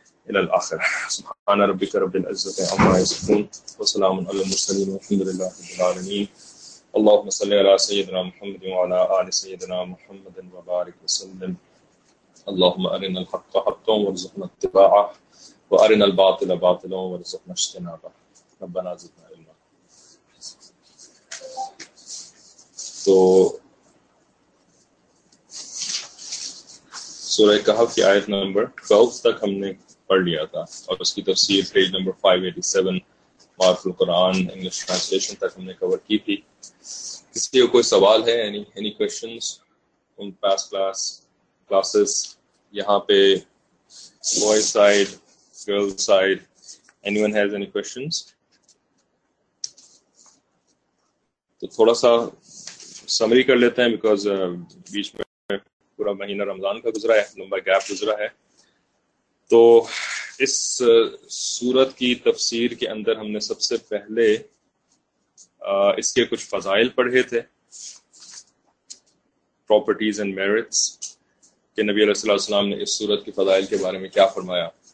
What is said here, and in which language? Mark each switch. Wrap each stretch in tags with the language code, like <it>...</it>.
<ar>إلى الآخر سبحان ربك رب العزة عما يصفون وسلام على المرسلين والحمد لله رب العالمين اللهم صل على سيدنا محمد وعلى آل سيدنا محمد وبارك وسلم اللهم أرنا الحق حقا وارزقنا اتباعه وأرنا الباطل باطلا وارزقنا اجتنابه ربنا زدنا علما.</ar> <ur>تو سورہ کہف کی آیت نمبر 12 تک ہم نے پڑھ لیا تھا اور اس کی تفسیر پیج نمبر 587 معرف القرآن انگلش ٹرانسلیشن تک ہم نے کور کی تھی. کسی کو کوئی سوال ہے؟</ur> <en>any questions from past classes,</en> <ur>یہاں پہ</ur> <en>boys side, girls side, anyone has any questions?</en> <ur>تو تھوڑا سا سمری کر لیتے ہیں بیکاز بیچ میں پورا مہینہ رمضان کا گزرا ہے, لمبا گیپ گزرا ہے. تو اس سورت کی تفسیر کے اندر ہم نے سب سے پہلے اس کے کچھ فضائل پڑھے تھے,</ur> <en>properties and merits,</en> <ur>کہ نبی علیہ الصلوۃ والسلام نے اس سورت کے فضائل کے بارے میں کیا فرمایا.</ur>